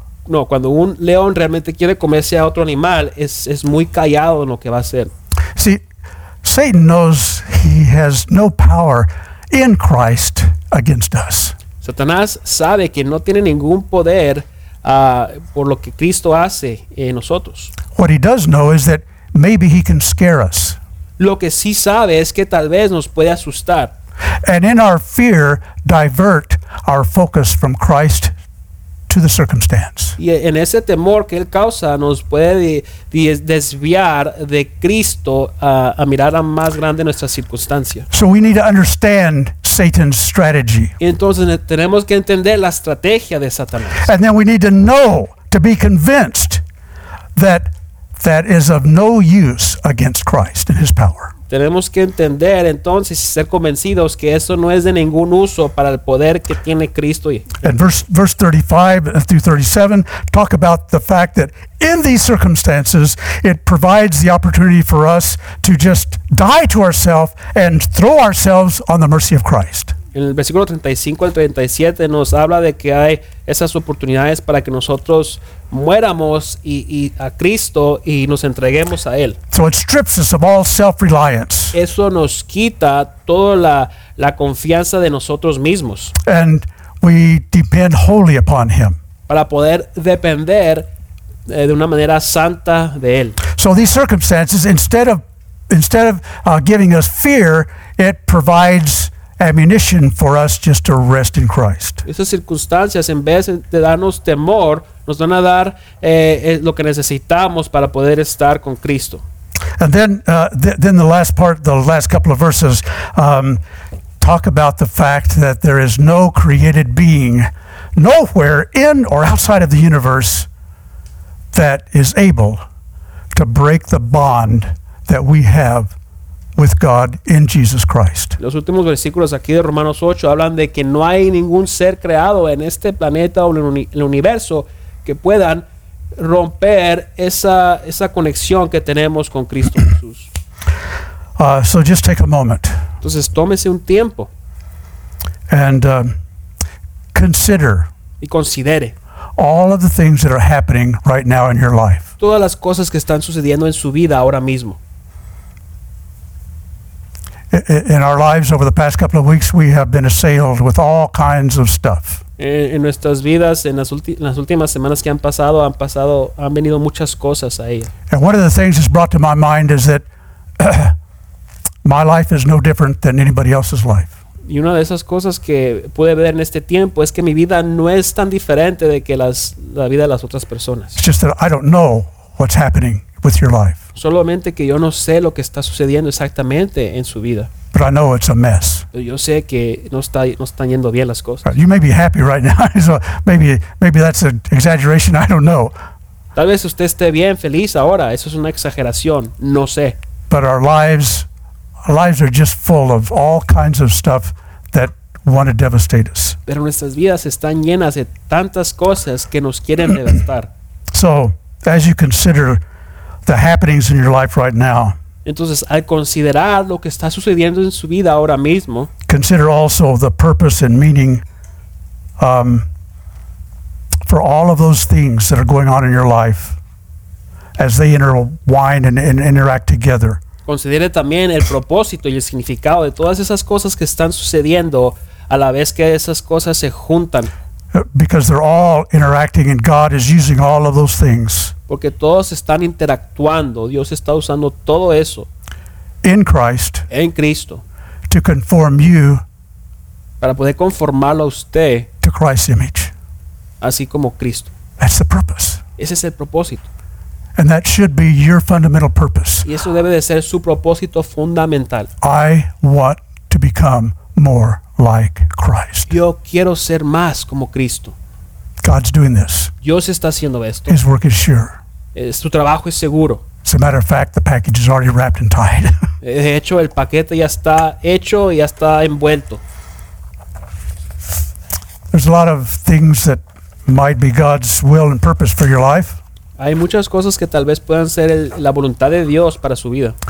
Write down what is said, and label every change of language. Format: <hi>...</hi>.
<es>No, cuando un león realmente quiere comerse a otro animal, es muy callado en lo que va a hacer.</es> <en>See, Satan knows he has no power in Christ against us.</en> <es>Satanás sabe que no tiene ningún poder por lo que Cristo hace en nosotros.</es> <en>What he does know is that maybe he can scare us.</en> <es>Lo que sí sabe es que tal vez nos puede asustar.</es> <en>And in our fear, divert our focus from Christ to the circumstance.</en> <es>Y en ese temor que él causa, nos puede desviar de Cristo a mirar a más grande nuestra circunstancia.</es> <en>So we need to understand Satan's strategy.</en> <es>Entonces tenemos que entender la estrategia de Satanás.</es> <en>And then we need to know, to be convinced that is of no use against Christ and his power.</en> <es>Tenemos que entender entonces y ser convencidos que eso no es de ningún uso para el poder que tiene Cristo.</es> <en>And verse 35 through 37 talk about the fact that in these circumstances it provides the opportunity for us to just die to ourselves and throw ourselves on the mercy of Christ.</en> <es>En el versículo 35 al 37 nos habla de que hay esas oportunidades para que nosotros muéramos y a Cristo y nos entreguemos a Él.</es> <en>So it strips us of all self-reliance.</en> <es>Eso nos quita toda la confianza de nosotros mismos.</es> <en>And we depend wholly upon Him.</en> <es>Para poder depender de una manera santa de Él.</es> <en>So these circumstances, instead of giving us fear, it provides ammunition for us just to rest in Christ.</en> <es>Esas circunstancias, en vez de darnos temor, nos van a dar lo que necesitamos para poder estar con Cristo.</es> <en>And then the last part, the last couple of verses, talk about the fact that there is no created being, nowhere in or outside of the universe, that is able to break the bond that we have with God in Jesus Christ.</en> <es>Los últimos versículos aquí de Romanos 8 hablan de que no hay ningún ser creado en este planeta o en el universo que puedan romper esa conexión que tenemos con Cristo Jesús.</es> <en>So just take a moment.</en> <es>Entonces tómese un tiempo.</es> <en>And consider.</en> <es>Y considere.</es> <en>All of the things that are happening right now in your life.</en> <es>Todas las cosas que están sucediendo en su vida ahora mismo.</es> <en>In our lives over the past couple of weeks, we have been assailed with all kinds of stuff.</en> <es>En nuestras vidas, en las últimas semanas que han pasado, han venido muchas cosas a ella.</es> <en>And one of the things that's brought to my mind is that my life is no different than anybody else's life.</en> <es>Y una de esas cosas que pude ver en este tiempo es que mi vida no es tan diferente de que la vida de las otras personas.</es> <en>It's just that I don't know what's happening with your life.</en> <es>Solamente que yo no sé lo que está sucediendo exactamente en su vida.</es> <en>But I know it's a mess.</en> <es>Pero yo sé que no están yendo bien las cosas.</es> <en>You may be happy right now. So maybe that's an exaggeration. I don't know.</en> <es>Tal vez usted esté bien feliz ahora. Eso es una exageración. No sé.</es> <en>But our lives are just full of all kinds of stuff that want to devastate us.</en> <es>Pero nuestras vidas están llenas de tantas cosas que nos quieren devastar.</es> <en>So, as you consider the happenings in your life right now.</en> <es>Entonces, al considerar lo que está sucediendo en su vida ahora mismo,</es> <en>consider also the purpose and meaning for all of those things that are going on in your life as they intertwine and interact together.</en> <es>Considere también el propósito y el significado de todas esas cosas que están sucediendo a la vez que esas cosas se juntan.</es> <en>Because they're all interacting and God is using all of those things.</en> <es>Porque todos están interactuando. Dios está usando todo eso.</es> <en>In Christ.</en> <es>En Cristo.</es> <en>To conform you.</en> <es>Para poder conformarlo a usted.</es> <en>To Christ's image.</en> <es>Así como Cristo.</es> <en>That's the purpose.</en> <es>Ese es el propósito.</es> <en>And that should be your fundamental purpose.</en> <es>Y eso debe de ser su propósito fundamental.</es> <en>I want to become more like Christ.</en> <es>Yo quiero ser más como Cristo.</es> <en>God's doing this.</en> <es>Dios está haciendo esto.</es> <en>His work is sure.</en> <es>Su trabajo es seguro.</es> <en>As a matter of fact, the package is already wrapped and tied.</en> <es>De hecho, el paquete ya está hecho y ya está envuelto.</es> <en>There's a lot of things that might be God's will and purpose for your life.</en> <es>Hay muchas cosas que tal vez puedan ser la voluntad de Dios para su vida.</es>